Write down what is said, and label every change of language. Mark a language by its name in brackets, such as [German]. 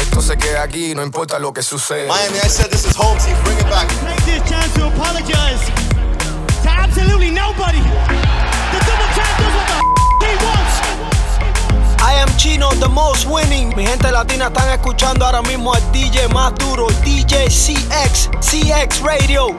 [Spanish] Esto se queda aquí, no importa lo que suceda. [English] Miami, I said this is home team, bring it back. Take this chance to apologize to absolutely nobody. The double champ does what the f*** he wants. I am Chino, the most winning. [Spanish] Mi gente latina están escuchando ahora mismo al DJ más duro, DJ CX, CX Radio.